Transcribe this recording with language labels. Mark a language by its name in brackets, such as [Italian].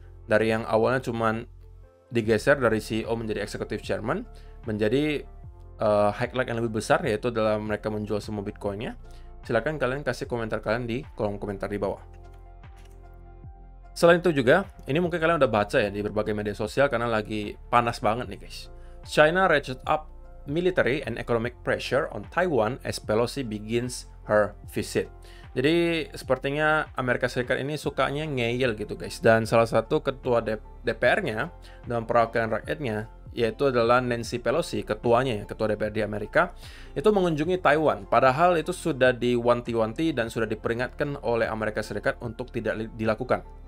[Indonesian] Dari yang awalnya cuman digeser dari CEO menjadi executive chairman, menjadi highlight yang lebih besar, yaitu dalam mereka menjual semua Bitcoin-nya. Silakan kalian kasih komentar kalian di kolom komentar di bawah. Selain itu juga, ini mungkin kalian udah baca ya di berbagai media sosial karena lagi panas banget nih guys. [English] China ratchet up military and economic pressure on Taiwan as Pelosi begins her visit. [Indonesian] Jadi sepertinya Amerika Serikat ini sukanya ngeyel gitu guys. Dan salah satu ketua DPR-nya dan perwakilan rakyatnya, yaitu adalah Nancy Pelosi, ketuanya ya, ketua DPR di Amerika, itu mengunjungi Taiwan. Padahal itu sudah diwanti-wanti dan sudah diperingatkan oleh Amerika Serikat untuk tidak dilakukan.